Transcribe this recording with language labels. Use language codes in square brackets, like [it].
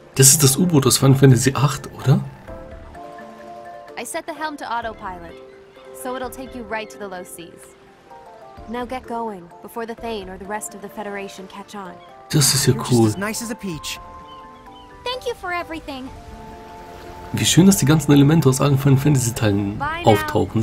[de] Das ist das U-Boot aus Final Fantasy 8, oder? [en] I set the helm to autopilot, so it'll take you right to the low seas. Now get going, before the Thane or the rest of the Federation catch on. [de] Das ist ja cool. [en] You're just as nice as a peach. Thank you for everything. [de] Wie schön, dass die ganzen Elemente aus allen Final Fantasy Teilen auftauchen.